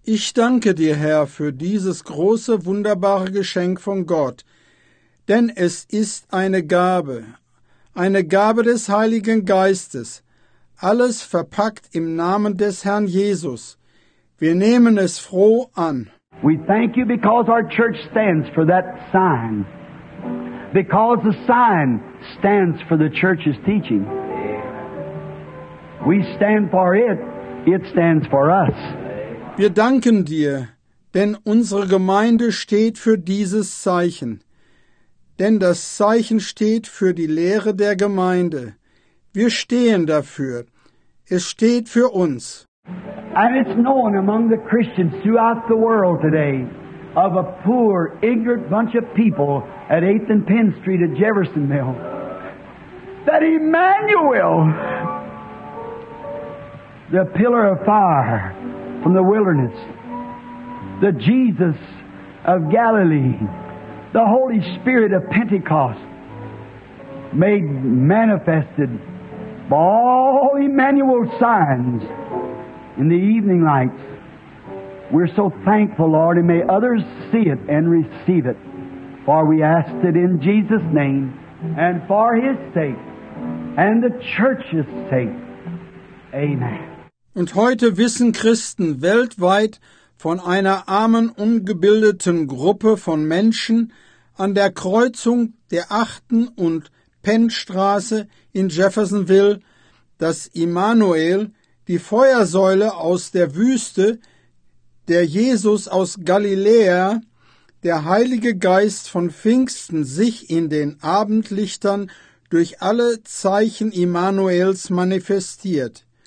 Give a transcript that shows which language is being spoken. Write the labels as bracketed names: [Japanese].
[German] Ich danke dir, Herr, für dieses große, wunderbare Geschenk von Gott. Denn es ist eine Gabe des Heiligen Geistes, alles verpackt im Namen des Herrn Jesus. Wir nehmen es froh an. [English] We thank you because our church stands for that sign. Because the sign stands for the church's teaching. We stand for it, it stands for us. [German] Wir danken dir, denn unsere Gemeinde steht für dieses Zeichen. Denn das Zeichen steht für die Lehre der Gemeinde. Wir stehen dafür. Es steht für uns. [English] And it's known among the Christians throughout the world today of a poor, ignorant bunch of people at 8th and Penn Street at Jeffersonville that Emmanuel, the pillar of fire from the wilderness, the Jesus of Galilee, the Holy Spirit of Pentecost, made manifested by all Emmanuel's signs in the evening lights. We're so thankful, Lord, and may others see it and receive it. For we ask it in Jesus' name, and for His sake, and the church's sake. Amen. [German] Und heute wissen Christen weltweit von einer armen, ungebildeten Gruppe von Menschen an der Kreuzung der 8. und Pennstraße in Jeffersonville, dass Immanuel, die Feuersäule aus der Wüste, der Jesus aus Galiläa, der Heilige Geist von Pfingsten sich in den Abendlichtern durch alle Zeichen Immanuels manifestiert.